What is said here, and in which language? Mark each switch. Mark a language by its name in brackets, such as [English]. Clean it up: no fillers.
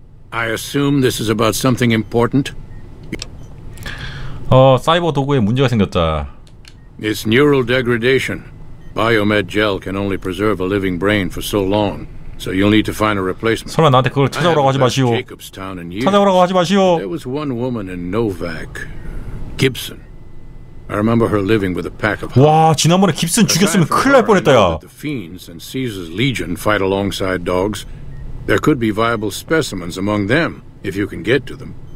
[English] I assume this is about something important. [Korean] 사이버 도구에 문제가 생겼다. [English] It's neural degradation. Biomed gel can only preserve a living brain for so long. So you'll need to find a replacement. [Korean] 설마 나한테 그걸 찾아오라고 하지 마시오. 찾아오라고 하지 마시오. [English] There was one woman in Novak. Gibson. I remember her living with a pack of. [Korean] 와, 지난번에 깁슨 죽였으면 큰일 날 뻔했다, 야. [English] The fiends and Caesar's legion fight alongside dogs. There could be viable specimens among them if you can get to them.